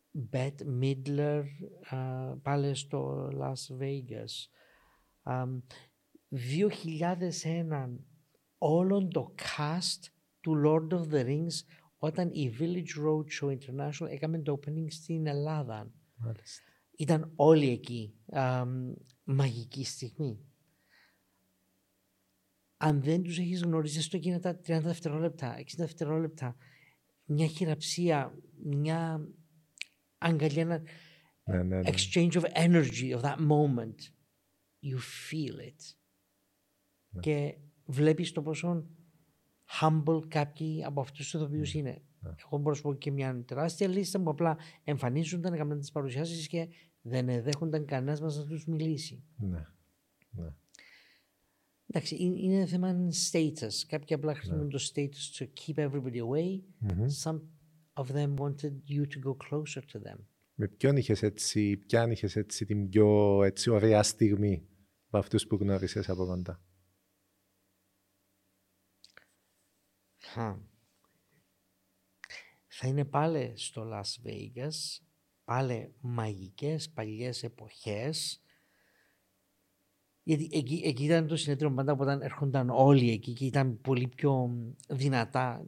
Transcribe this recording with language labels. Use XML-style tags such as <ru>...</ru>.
<el>Bette Midler πάλι στο Las Vegas. 2001 όλον το cast του Lord of the Rings όταν η Village Roadshow International έκαμε το opening στην Ελλάδα. Ήταν όλοι εκεί. Μαγική στιγμή. Αν δεν τους έχεις γνωρίσει, έστω εκείνα τα 30 δευτερόλεπτα, 60 δευτερόλεπτα, μια χειραψία, μια αγκαλιά, ένα</el> <en>exchange of energy of that moment, you feel it.</en> <el>Ναι. Και βλέπεις το πόσο humble κάποιοι από αυτούς τους ηθοποιούς είναι. Ναι. Εγώ μπορώ να σου πω και μια τεράστια λίστα που απλά εμφανίζονταν, έκαναν τις παρουσιάσεις και δεν εδέχονταν κανένας μας να τους μιλήσει. Ναι. Εντάξει, είναι θέμα status. Κάποιοι απλά χρησιμοποιούν το</el> <en>status to keep everybody away. Some of them wanted you to go closer to them.</en> <el>Με ποιον είχες έτσι, ποιαν είχες έτσι την πιο έτσι ωραία στιγμή από αυτούς που γνώρισες από κοντά. Θα είναι πάλι στο Las Vegas. Πάλε μαγικές παλιές εποχές, γιατί εκεί ήταν το συνέδριο πάντα όταν έρχονταν όλοι εκεί και ήταν πολύ πιο δυνατά.</el>